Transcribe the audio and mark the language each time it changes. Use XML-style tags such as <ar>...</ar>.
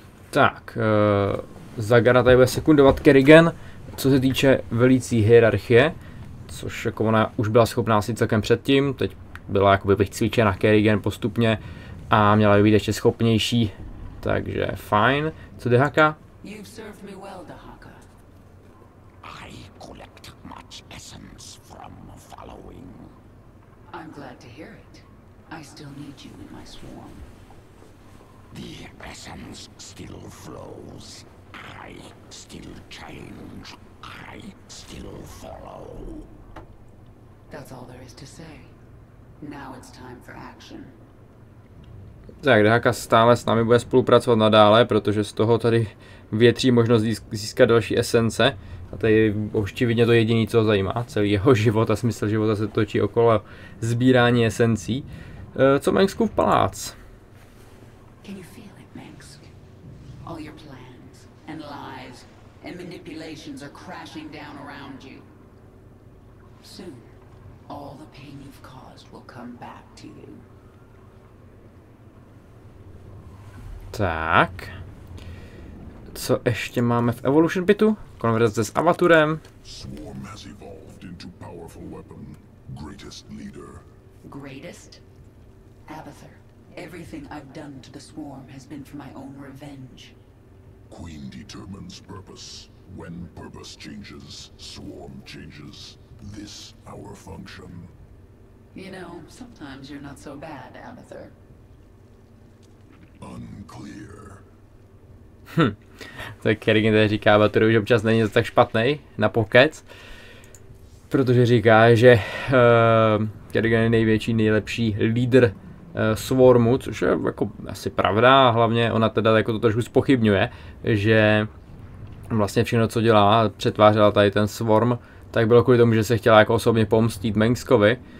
<cs>Tak, Zagara tady bude sekundovat Kerrigan. Co se týče velící hierarchie, což jako ona už byla schopná si celkem předtím, teď byla jakoby vycvičena Kerrigan postupně a měla by být ještě schopnější, takže fajn. Co Dehaka?</cs> <en>You've served me well, Dehaka. I collect much essence from following. I'm glad to hear it. I still need you in my swarm. The essence still flows. I still change. I still follow. That's all there is to say. Now it's time for action.</en> <cs>Tak, Dehaka stále s námi bude spolupracovat nadále, protože z toho tady větří možnost získat další esence. A tady očividně to jediné, co ho zajímá. Celý jeho život a smysl života se točí okolo sbírání esencí. Co Manxkův palác?</cs> <en>Can you feel it, Manx? All your plans and lies and manipulations are crashing down around you. Soon, all the pain you've caused will come back to you.</en> <cs>Tak. Co ještě máme v Evolution Pitu? Konverzace s Avaturem.</cs> <en>Swarm has evolved into powerful weapon. Greatest leader. Greatest? Avathur. Everything I've done to the Swarm has been for my own revenge. Queen determines purpose. When purpose changes, Swarm changes. This our function. You know, sometimes you're not so bad, Avathur. Unclear.</en> <cs>Tak Kerrigan tady říká Avaturovi, že občas není tak špatnej na pokec. Protože říká, že Kerrigan je největší, nejlepší lídr Swarmu, což je jako asi pravda, hlavně ona teda jako to trošku spochybňuje, že vlastně všechno, co dělá, přetvářela tady ten Swarm, tak bylo kvůli tomu, že se chtěla jako osobně pomstit Mengskovi.</cs>